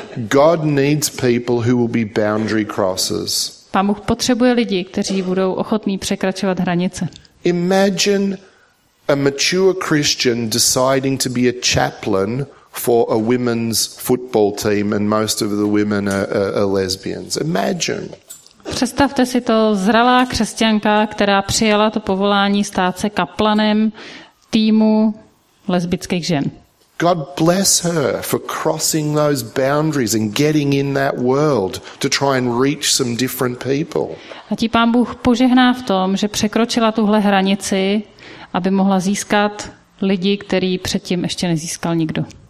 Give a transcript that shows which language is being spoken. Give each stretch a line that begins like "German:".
English: God needs people who will be boundary crossers.
Czech: Pán Bůh potřebuje lidi, kteří budou ochotní překračovat hranice.
English: Imagine a mature Christian deciding to be a chaplain for a women's football team and most of the women are lesbians. Imagine.
Czech: Představte si to, zralá křesťanka, která přijala to povolání stát se kaplanem týmu lesbických žen.
English: God bless her for crossing those boundaries and getting in that world to try and reach some different people.
Czech: A ti Pán Bůh požehná v tom, že překročila tuhle hranici, aby mohla získat lidi, který předtím ještě nezískal nikdo.